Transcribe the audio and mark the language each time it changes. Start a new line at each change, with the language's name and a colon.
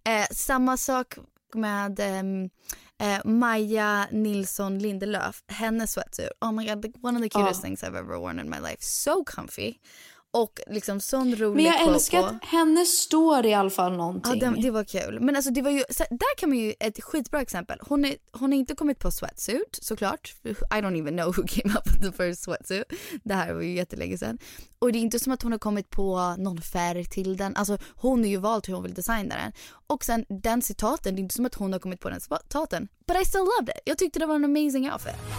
Swedish: Samma sak med Maja Nilsson Lindelöf. Hennes sweatsuit.
English: Oh my god, one of the cutest things I've ever worn in my life. So comfy.
Swedish: Och liksom sån rolig. Men jag älskar att henne står i alla fall någonting. Ja, det var kul. Men alltså det var ju, där kan man ju, ett skitbra exempel. Hon är inte kommit på sweatsuit, såklart.
English: I don't even know who came up with the first sweatsuit.
Swedish: Det här var ju jättelänge sedan. Och det är inte som att hon har kommit på någon färg till den. Alltså hon har ju valt hur hon vill designa den. Och sen den citaten, det är inte som att hon har kommit på den citaten.
English: But I still loved it.
Swedish: Jag tyckte det var en amazing outfit.